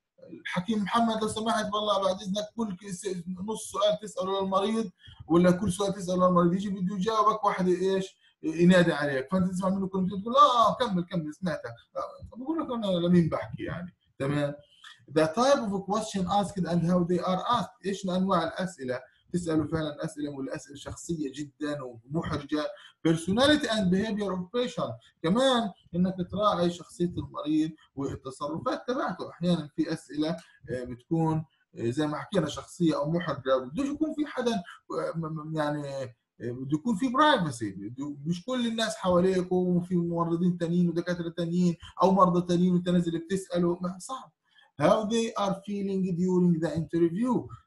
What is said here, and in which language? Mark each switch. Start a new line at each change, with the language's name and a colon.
Arabic: الحكيم محمد لو سمحت بالله بعد اذنك كل نص سؤال تساله للمريض ولا كل سؤال تساله للمريض يجي بده يجاوبك واحد ايش ينادي عليك فانت تسمع منه كل تقول اه كمل كمل سمعتك بقول لك انا لمين بحكي يعني. تمام.
English: the type of question asked and how they are asked.
Arabic: إيش أنواع الأسئلة؟ تسألوا فعلاً أسئلة والأسئلة شخصية جداً ومحرجة.
English: Personality and behavior of patient.
Arabic: كمان إنك تراعي شخصية المريض والتصرفات تبعته. أحياناً في أسئلة بتكون زي ما حكينا شخصية أو محرجة. بدوش يكون في حدا يعني بده يكون في برايفسي، مش كل الناس حواليك وفي ممرضين تانيين ودكاترة تانيين أو مرضى تانيين وتنزل بتسأله، ما صعب.
English: How they are feeling during the interview.